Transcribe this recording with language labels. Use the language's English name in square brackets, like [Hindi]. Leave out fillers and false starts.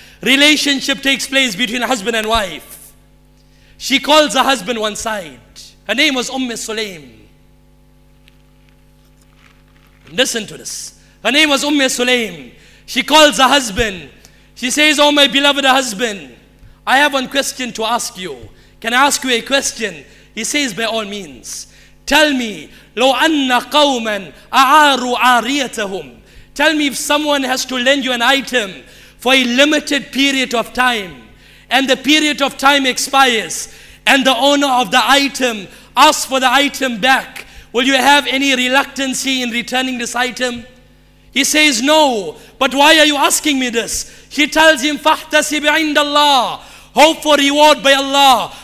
[English] Relationship takes place between husband and wife. She calls her husband one side. Her name was Umm Sulaim. Listen to this. Her name was Umm Sulaim. She calls her husband. She says, "Oh, my beloved husband, I have one question to ask you. Can I ask you a question?" He says, "By all means. Tell me, [Arabic] لو أن قوما أعاروا عاريتهم. [English] Tell me, if someone has to lend you an item for a limited period of time, and the period of time expires, and the owner of the item asks for the item back, will you have any reluctancy in returning this item?" He says, "No, but why are you asking me this?" She tells him, [Arabic] "Fahtasib inda Allah, [English] hope for reward by Allah.